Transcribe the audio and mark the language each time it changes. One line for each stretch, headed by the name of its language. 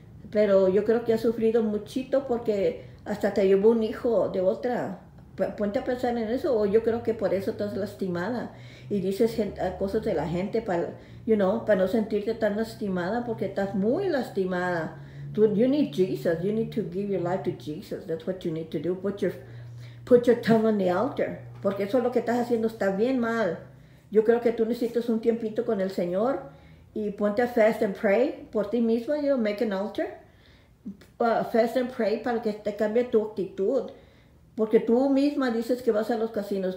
Spanish: Pero yo creo que ha sufrido muchito porque hasta te llevó un hijo de otra. Ponte a pensar en eso, o yo creo que por eso estás lastimada. Y dices cosas de la gente para,
English: you know,
Spanish: para no sentirte tan lastimada, porque estás muy lastimada.
English: You need Jesus. You need to give your life to Jesus. That's what you need to do. Put your tongue on the altar.
Spanish: Porque eso es lo que estás haciendo. Está bien mal. Yo creo que tú necesitas un tiempito con el Señor. Y ponte a
English: fast and pray
Spanish: por ti misma.
English: You know, make an altar. Fast and pray
Spanish: para que te cambie tu actitud. Porque tú misma dices que vas a los casinos.